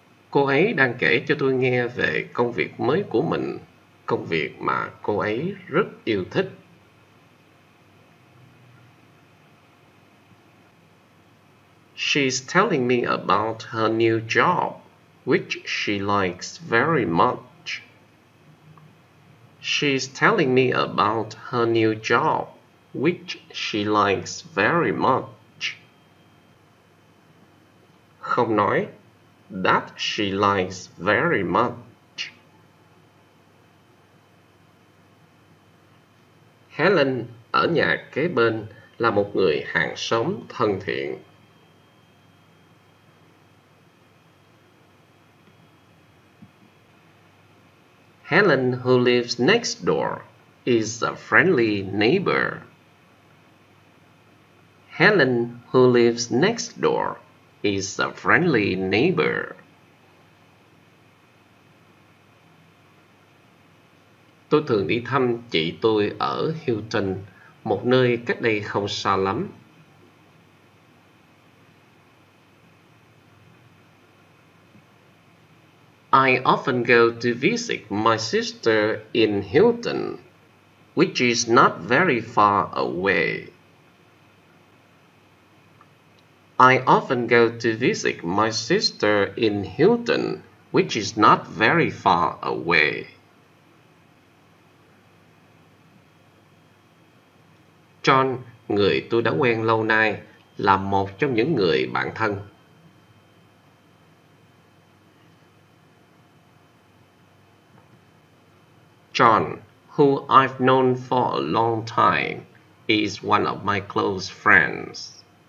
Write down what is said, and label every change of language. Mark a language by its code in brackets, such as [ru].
[vi] Cô ấy đang kể cho tôi nghe về công việc mới của mình, công việc mà cô ấy rất yêu thích. [en] She's telling me about her new job, which she likes very much. She's telling me about her new job, which she likes very much. [vi] Không nói, [en] that she likes very much. [vi] Helen ở nhà kế bên là một người hàng xóm thân thiện. [en] Helen, who lives next door, is a friendly neighbor. Helen, who lives next door, is a friendly neighbor. [vi] Tôi thường đi thăm chị tôi ở Hilton, một nơi cách đây không xa lắm. [en] I often go to visit my sister in Hilton, which is not very far away. I often go to visit my sister in Hilton, which is not very far away. [vi] John, người tôi đã quen lâu nay, là một trong những người bạn thân. [en] John, who I've known for a long time, is one of my close friends.